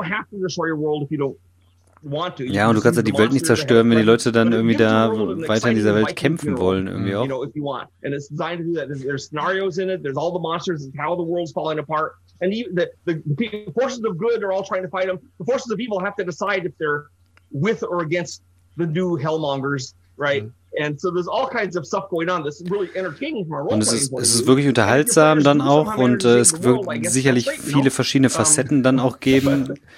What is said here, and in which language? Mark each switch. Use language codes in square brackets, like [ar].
[de] Ja, und du kannst ja die Welt nicht zerstören, wenn die Leute dann irgendwie da weiter in dieser Welt kämpfen wollen, irgendwie auch. Und es ist [en] designed to do that. There's scenarios in it, there's all the monsters, it's how the world's falling apart. And the forces of good are all trying to fight them. The forces of evil have to decide if they're with or against the new hellmongers, right? Mm. And so there's all kinds of stuff going on. This is really entertaining from a role-playing point of view. [de] Es ist wirklich unterhaltsam dann auch und es wird sicherlich viele verschiedene Facetten dann auch geben.